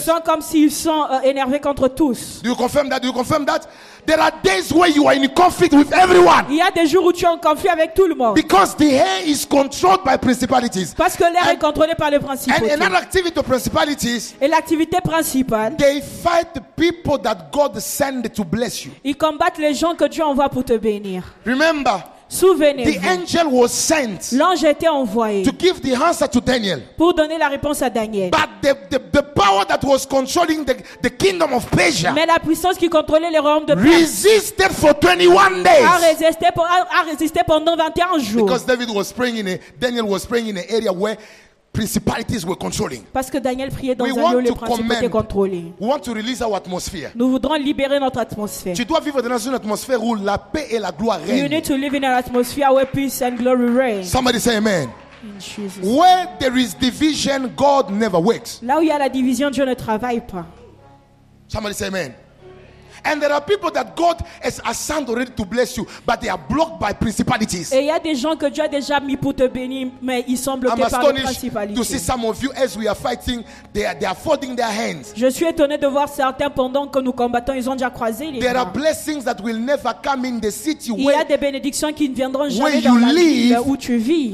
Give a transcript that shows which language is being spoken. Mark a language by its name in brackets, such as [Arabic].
[French] Ils sentent comme s'ils sont énervés contre tous. [English] Do you confirm that? Do you confirm that? There are days where you are in conflict with everyone. [French] Il y a des jours où tu es en conflit avec tout le monde. [English] Because the air is controlled by principalities. [French] Parce que l'air est contrôlé par les principautés. [English] And another activity of principalities. [French] Et l'activité principale. [English] They fight the people that God send to bless you. [French] Ils combattent les gens que Dieu envoie pour te bénir. [English] Remember. [French] Souvenez-vous. [English] The angel was sent. [French] L'ange était envoyé. [English] To give the answer to Daniel. [French] Pour donner la réponse à Daniel. [English] But the power that was controlling the kingdom of Persia. [French] Mais la puissance qui contrôlait les royaumes de Perse. [English] Resisted for 21 days. [French] A résisté pendant 21 jours. [English] Because David was praying in a, Daniel was praying in an area where principalities were controlling. [French] Parce que Daniel priait dans un lieu où les principautés étaient contrôlées. [English] We want to release our atmosphere. [French] Nous voudrons libérer notre atmosphère. Tu dois vivre dans une atmosphère où la paix et la gloire règnent. [English] You need to live in an atmosphere where peace and glory reign. Somebody say amen. In Jesus. Where there is division, God never works. [French] Là où il y a la division, Dieu ne travaille pas. [English] Somebody say amen. And there are people that God has assigned already to bless you, but they are blocked by principalities. [French] Et il y a des gens que Dieu a déjà mis pour te bénir, mais ils sont bloqués par les principalités. [English] I'm astonished to see some of you as we are fighting, they are folding their hands. [French] Je suis étonné de voir certains pendant que nous combattons, ils ont déjà croisé les bras. [English] There are blessings that will never come in the city where. [French] Il y a des bénédictions qui ne viendront jamais dans la ville où tu vis.